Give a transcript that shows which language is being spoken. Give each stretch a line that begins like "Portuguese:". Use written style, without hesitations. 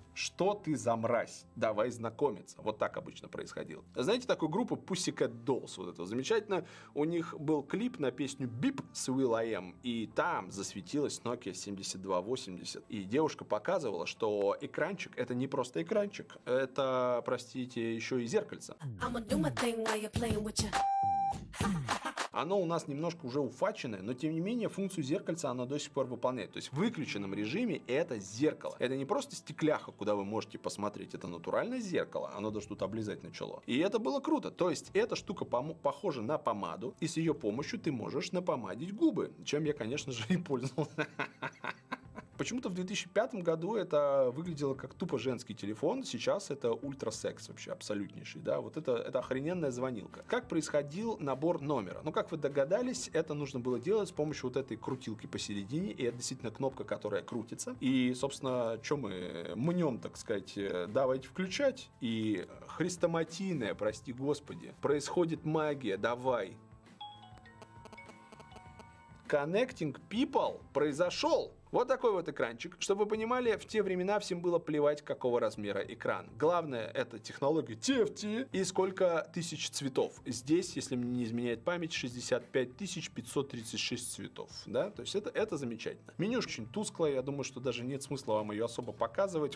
Russian: Что ты за мразь? Давай знакомиться. Вот так обычно происходило. Знаете такую группу Pussycat Dolls? Вот это замечательно. У них был клип на песню Beep с Will I Am. И там засветилась Nokia 7280. И девушка показывала, что экранчик это не просто экранчик. Это, простите, еще и зеркальце.
English: I'ma do my thing while you're playing with your...
Russian: Оно у нас немножко уже уфаченное, но тем не менее функцию зеркальца оно до сих пор выполняет. То есть в выключенном режиме это зеркало. Это не просто стекляха, куда вы можете посмотреть, это натуральное зеркало. Оно даже тут облизать начало. И это было круто. То есть эта штука похожа на помаду, и с ее помощью ты можешь напомадить губы. Чем я, конечно же, и пользовался. Почему-то в 2005 году это выглядело как тупо женский телефон, сейчас это ультрасекс вообще абсолютнейший, да, вот это охрененная звонилка. Как происходил набор номера? Ну, как вы догадались, это нужно было делать с помощью вот этой крутилки посередине, и это действительно кнопка, которая крутится. И, собственно, что мы мнем, так сказать, давайте включать, и хрестоматийная, прости господи, происходит магия, давай.
English: Connecting people
Russian: произошел. Вот такой вот экранчик. Чтобы вы понимали, в те времена всем было плевать, какого размера экран. Главное, это технология TFT и сколько тысяч цветов. Здесь, если мне не изменяет память, 65 536 цветов. Да? То есть это замечательно. Менюшка очень тусклая, я думаю, что даже нет смысла вам ее особо показывать.